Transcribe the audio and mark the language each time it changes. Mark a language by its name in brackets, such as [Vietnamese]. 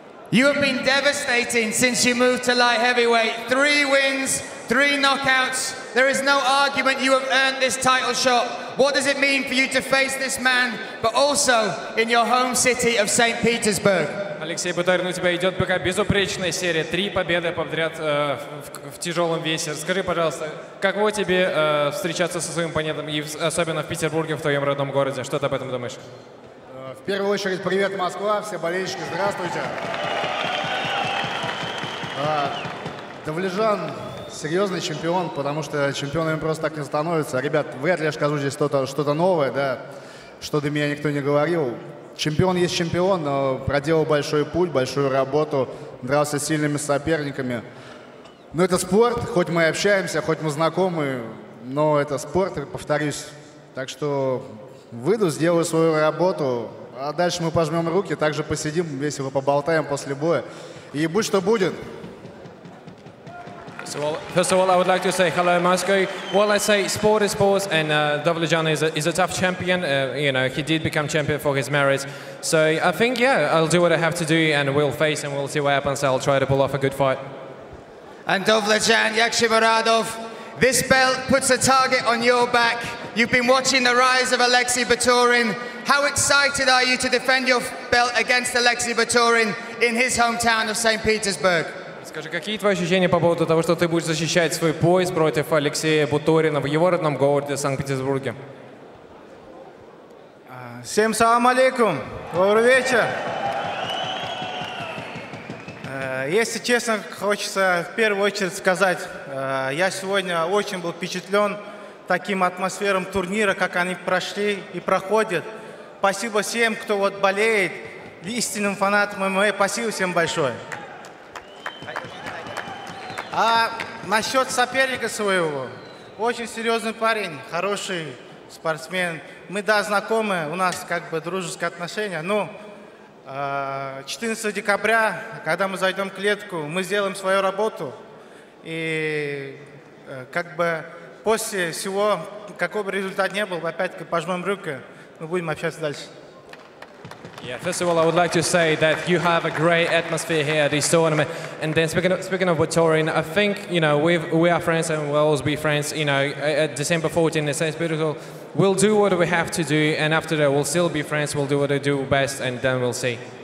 [English] You have been devastating since you moved to light heavyweight. 3 wins, 3 knockouts. There is no argument you have earned this title shot. What does it mean for you to face this man, but also in your home city of St. Petersburg? [Russian] Алексей Буторин, у тебя идет пока безупречная серия. 3 победы подряд в тяжелом весе. Расскажи, пожалуйста, каково тебе встречаться со своим оппонентом, и особенно в Петербурге, в твоем родном городе? Что ты об этом думаешь? В первую очередь, привет, Москва, все болельщики, здравствуйте. Довлежан серьезный чемпион, потому что чемпионами просто так не становится. Ребят, вряд ли я скажу здесь что-то новое, да, что до меня никто не говорил. Чемпион есть чемпион, но проделал большой путь, большую работу, дрался с сильными соперниками. Но это спорт, хоть мы и общаемся, хоть мы знакомы, но это спорт, повторюсь. Так что выйду, сделаю свою работу, а дальше мы пожмем руки, также посидим, весело поболтаем после боя. И будь что будет. [English] First of all, I would like to say hello, Moscow. Well, I say sport is sport, and Dovlejan is a tough champion. You know, he did become champion for his merits. So I think, yeah, I'll do what I have to do, and we'll face and we'll see what happens. I'll try to pull off a good fight. And Dovlejan, Yanshi Muradov, this belt puts a target on your back. You've been watching the rise of Alexei Buterin. How excited are you to defend your belt against Alexei Buterin in his hometown of St. Petersburg? [Russian] Скажи, какие твои ощущения по поводу того, что ты будешь защищать свой пояс против Алексея Буторина в его родном городе Санкт-Петербурге? Всем салам алейкум. Добрый вечер. Если честно, хочется в первую очередь сказать, я сегодня очень был впечатлен таким атмосферой турнира, как они прошли и проходят. Спасибо всем, кто вот болеет, истинным фанатам ММА. Спасибо всем большое. А насчет соперника своего, очень серьезный парень, хороший спортсмен. Мы, да, знакомы, у нас как бы дружеские отношения, но 14 декабря, когда мы зайдем в клетку, мы сделаем свою работу. И как бы после всего, какой бы результат ни был, опять-таки пожмем руки, мы будем общаться дальше. [English] Yeah, first of all, I would like to say that you have a great atmosphere here at this tournament. And then speaking of Buterin, I think, you know, we are friends and we'll always be friends, you know, at December 14th in St. Petersburg. We'll do what we have to do, and after that we'll still be friends, we'll do what we do best, and then we'll see.